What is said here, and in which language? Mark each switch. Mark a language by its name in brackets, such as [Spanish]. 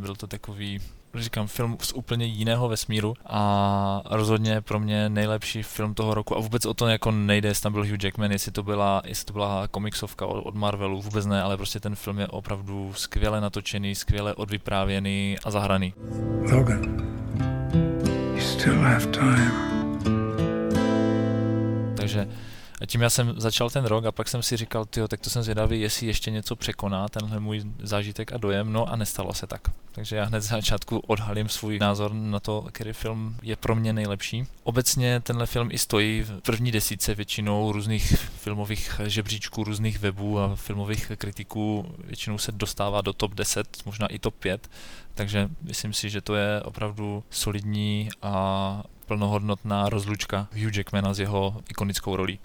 [Czech] Byl to takový, říkám, film z úplně jiného vesmíru a rozhodně pro mě nejlepší film toho roku a vůbec o to jako nejde, jestli tam byl Hugh Jackman, jestli to byla komiksovka od Marvelu, vůbec ne, ale prostě ten film je opravdu skvěle natočený, skvěle odvyprávěný a zahraný. [English] Logan, you still have time. [Czech] Takže a tím já jsem začal ten rok a pak jsem si říkal, tyjo, tak to jsem zvědavý, jestli ještě něco překoná tenhle můj zážitek a dojem, no a nestalo se tak. Takže já hned z začátku odhalím svůj názor na to, který film je pro mě nejlepší. Obecně tenhle film i stojí v první desítce většinou různých filmových žebříčků, různých webů a filmových kritiků, většinou se dostává do top 10, možná i top 5, takže myslím si, že to je opravdu solidní a plnohodnotná rozlučka Hugh Jackmana s jeho ikonickou rolí.